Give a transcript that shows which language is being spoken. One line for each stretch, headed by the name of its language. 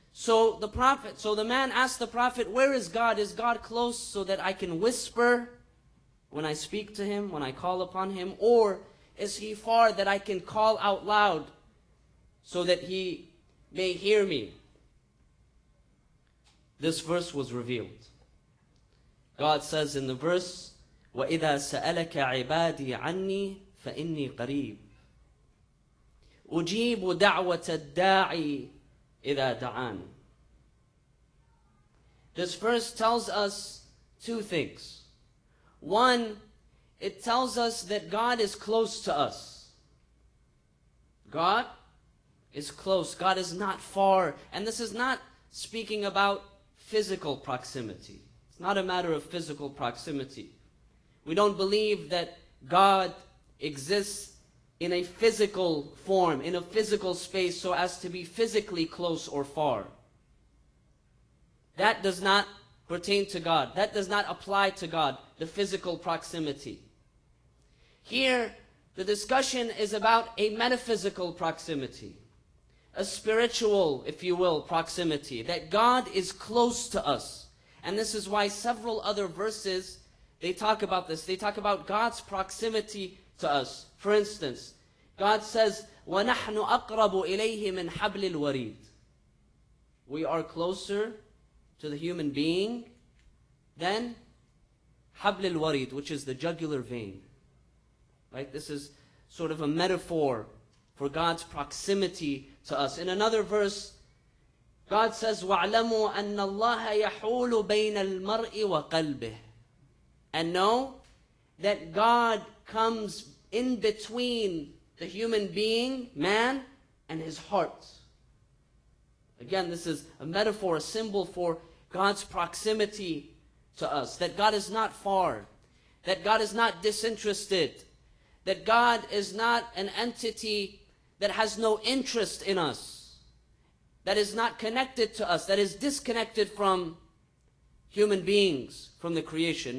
English: So the man asked the Prophet, where is God? Is God close so that I can whisper when I speak to him, when I call upon him? Or is he far that I can call out loud so that he may hear me? This verse was revealed. God says in the verse,
Arabic: وَإِذَا سَأَلَكَ عِبَادِي عَنِّي فَإِنِّي قَرِيبٌ أُجِيبُ دَعْوَةَ الدَّاعِي إِذَا دَعَانِ.
English: This verse tells us two things. One, it tells us that God is close to us. God is close. God is not far. And this is not speaking about physical proximity. It's not a matter of physical proximity. We don't believe that God exists in a physical form, in a physical space, so as to be physically close or far. That does not pertain to God. That does not apply to God, the physical proximity. Here, the discussion is about a metaphysical proximity, a spiritual, if you will, proximity, that God is close to us. And this is why several other verses, they talk about this. They talk about God's proximity to us. For instance, God says,
Arabic: وَنَحْنُ أَقْرَبُ إِلَيْهِ مِنْ حَبْلِ الْوَرِيدِ.
English: We are closer to the human being than
Arabic: حَبْلِ الْوَرِيدِ,
English: which is the jugular vein. Right? This is sort of a metaphor for God's proximity to us. In another verse, God says,
Arabic: وَعْلَمُوا أَنَّ اللَّهَ يَحُولُ بَيْنَ الْمَرْءِ وَقَلْبِهِ.
English: And know that God comes in between the human being, man, and his heart. Again, this is a metaphor, a symbol for God's proximity to us, that God is not far, that God is not disinterested, that God is not an entity that has no interest in us, that is not connected to us, that is disconnected from human beings, from the creation.